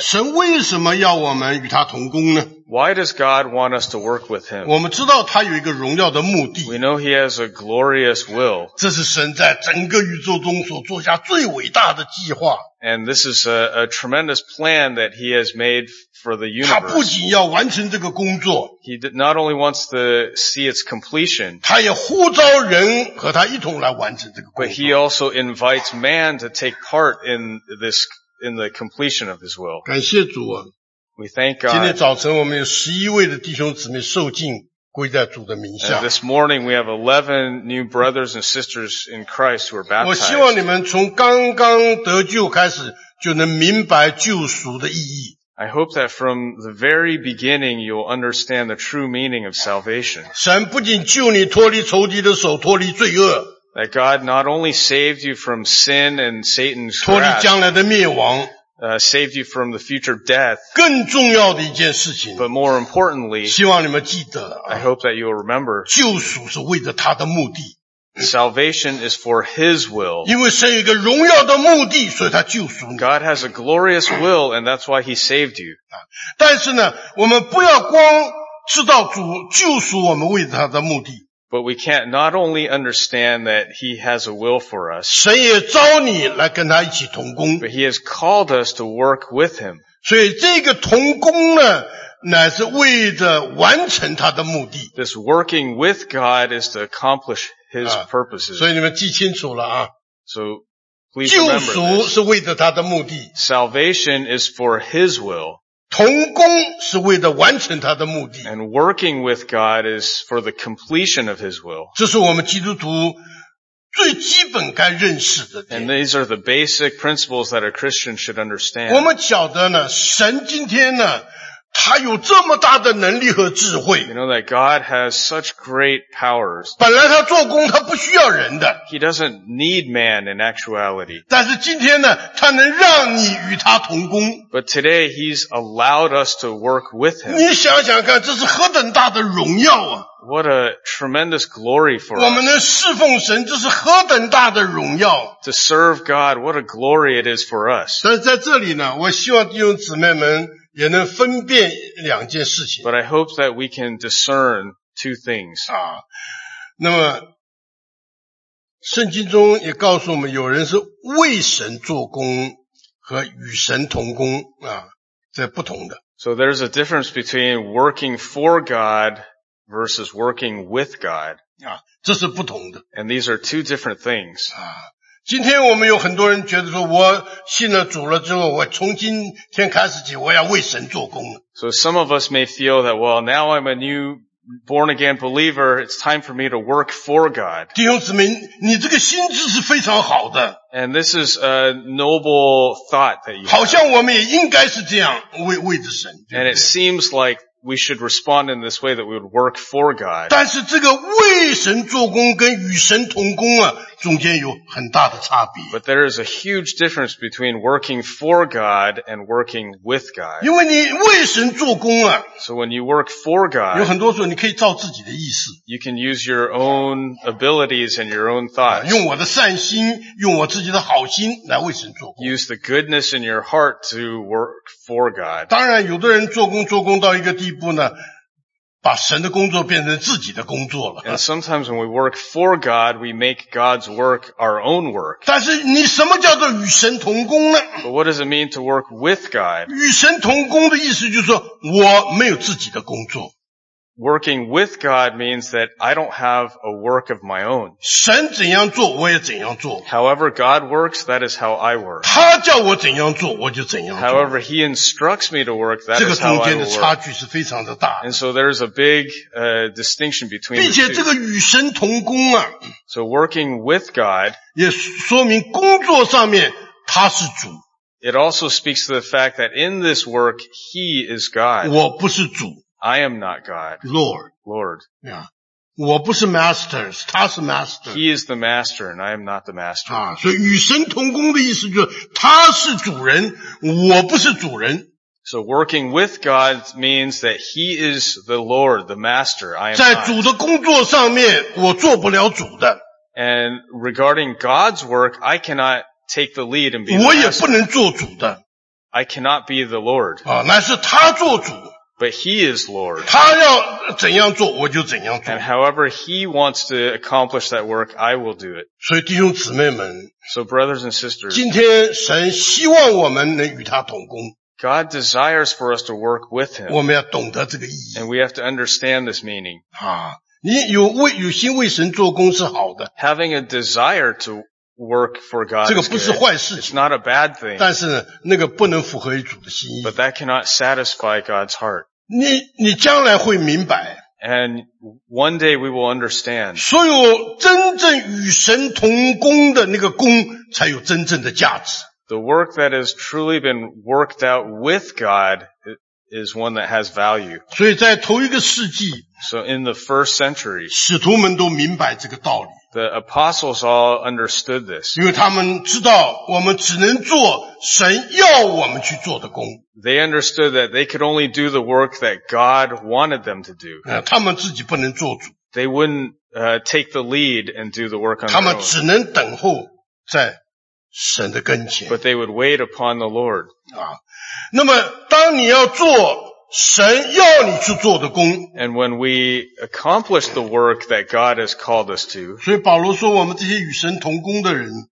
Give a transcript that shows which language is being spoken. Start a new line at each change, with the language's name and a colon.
Chinese: 神为什么要我们与他同工呢?
English: Why does God want us to work with Him?
Chinese: 我们知道他有一个荣耀的目的,
English: we know He has a glorious will.
Chinese: 这是神在整个宇宙中所做下最伟大的计划。
English: And this is a tremendous plan that He has made for the universe.
Chinese: 他不仅要完成这个工作,
English: He not only wants to see its completion,
Chinese: 他也呼召人和他一同来完成这个工作,
English: but He also invites man to take part in this, in the completion of His will.
Chinese: 感谢主啊,
English: we thank God.
Chinese: 今天早晨我们有11位的弟兄姊妹受浸,
English: and this morning we have 11 new brothers and sisters in Christ who are baptized.
Chinese: 我希望你们从刚刚得救开始就能明白救赎的意义。
English: I hope that from the very beginning you'll understand the true meaning of salvation.
Chinese: 神不仅救你脱离仇敌的手，脱离罪恶。
English: That God not only saved you from sin and Satan's grasp,
Chinese: 脱离将来的灭亡。
English: Saved you from the future death.
Chinese: 更重要的一件事情,
English: but more importantly,
Chinese: 希望你们记得,
English: I hope that you will remember,
Chinese: 救赎是为了他的目的,
English: salvation is for His will.
Chinese: 因为神有一个荣耀的目的,
English: God has a glorious will, and that's why He saved you.
Chinese: 但是呢, 我们不要光知道主救赎我们为了他的目的,
English: but we can't not only understand that He has a will for us,
Chinese: 神也召你来跟他一起同工,
English: but He has called us to work with Him.
Chinese: 所以这个同工呢, 乃是为着完成他的目的。
English: This working with God is to accomplish His purposes.
Chinese: 所以你们记清楚了啊,
English: so please remember,
Chinese: 救赎是为着他的目的。
English: Salvation is for His will.
Chinese: 同工是为了完成他的目的。
English: And working with God is for the completion of His will.
Chinese: 这是我们基督徒最基本该认识的点。
English: And these are the basic principles that a Christian should understand.
Chinese: 我们晓得呢, 神今天呢, 他有这么大的能力和智慧。
English: You know that God has such great powers.
Chinese: 本来他做工, 他不需要人的。
English: He doesn't need man in actuality.
Chinese: 但是今天呢, 他能让你与他同工。
English: But today He's allowed us to work with Him.
Chinese: 你想想看, 这是何等大的荣耀啊。
English: What a tremendous glory for us.
Chinese: 我们能侍奉神, 这是何等大的荣耀。
English: To serve God, what a glory it is for us.
Chinese: 但是在这里呢, 我希望弟兄姊妹们, 也能分辨两件事情。
English: But I hope that we can discern 2 things.
Chinese: 啊, 那么圣经中也告诉我们, 有人是为神做工和与神同工, 啊, 这不同的。
English: So there's a difference between working for God versus working with God.
Chinese: 啊, 这是不同的。
English: And these are 2 different things.
Chinese: 啊, 今天我们有很多人觉得说, 我信了主了之后, 我从今天开始起, 我要为神做工。
English: So some of us may feel that, well, now I'm a new born again believer, it's time for me to work for God.
Chinese: 弟兄姊妹, 你这个心智是非常好的。
English: And this is a noble thought that you have.
Chinese: 好像我们也应该是这样, 为着神。
English: And it seems like we should respond in this way, that we would work for God.
Chinese: 但是这个为神做工跟与神同工啊, 中间有很大的差别。
English: But there is a huge difference between working for God and working with God.
Chinese: 因为你为神做工啊,
English: so when you work for God,
Chinese: 有很多时候你可以照自己的意思,
English: you can use your own abilities and your own thoughts.
Chinese: 用我的善心, 用我自己的好心来为神做工。
English: Use the goodness in your heart to work for God.
Chinese: 当然有的人做工做工到一个地步呢, 把神的工作变成自己的工作了。
English: And sometimes when we work for God, we make God's work our own work.
Chinese: 但是你什么叫做与神同工呢?
English: But what does it mean to work with God?
Chinese: 与神同工的意思就是说, 我没有自己的工作。
English: Working with God means that I don't have a work of my own.
Chinese: 神怎样做, 我也怎样做。
English: However God works, that is how I work.
Chinese: 他叫我怎样做, 我就怎样做。
English: However He instructs me to work, that is how I work.
Chinese: 这个中间的差距是非常的大的。
English: And so there is a big distinction between the two.
Chinese: 并且这个与神同工啊,
English: so working with God,
Chinese: 也说明工作上面他是主。
English: It also speaks to the fact that in this work, He is God.
Chinese: 我不是主。
English: I am not God. Lord. Lord. Yeah.
Chinese: 我不是 master, 他是 master.
English: He is the master and I am not the master.
Chinese: 所以与神同工的意思就是他是主人，我不是主人。
English: So working with God means that he is the Lord, the master, I am not.
Chinese: 在主的工作上面我做不了主的。
English: And regarding God's work, I cannot take the lead and be the
Chinese: master. 我也不能做主的。
English: I cannot be the Lord.
Chinese: 那是他做主。
English: But he is Lord.
Chinese: 他要怎样做我就怎样做。
English: And however he wants to accomplish that work, I will do it.
Chinese: 所以弟兄姊妹们。
English: So brothers and sisters.
Chinese: 今天神希望我们能与他同工。
English: God desires for us to work with him.
Chinese: 我们要懂得这个意义。
English: And we have to understand this meaning.
Chinese: 你有为有心为神做工是好的。
English: Having a desire to work for God.
Chinese: 这个不是坏事。
English: It's not a bad thing.
Chinese: 但是那个不能符合主的心意。
English: But that cannot satisfy God's heart.
Chinese: 你将来会明白。
English: And one day we will understand.
Chinese: 所有真正与神同工的那个工才有真正的价值。
English: The work that has truly been worked out with God is one that has value.
Chinese: 所以在头一个世纪。
English: So in the first century.
Chinese: 使徒们都明白这个道理。
English: The apostles all understood this.
Chinese: 因为他们知道我们只能做神要我们去做的工。
English: They understood that they could only do the work that God wanted them to do.
Chinese: 他们自己不能做主。
English: They wouldn't, take the lead and do the work on their own.
Chinese: 他们只能等候在神的跟前。
English: But they would wait upon the Lord.
Chinese: 那么当你要做神要你去做的工。
English: And when we accomplish the work that God has called us to.
Chinese: 所以保罗说我们这些与神同工的人。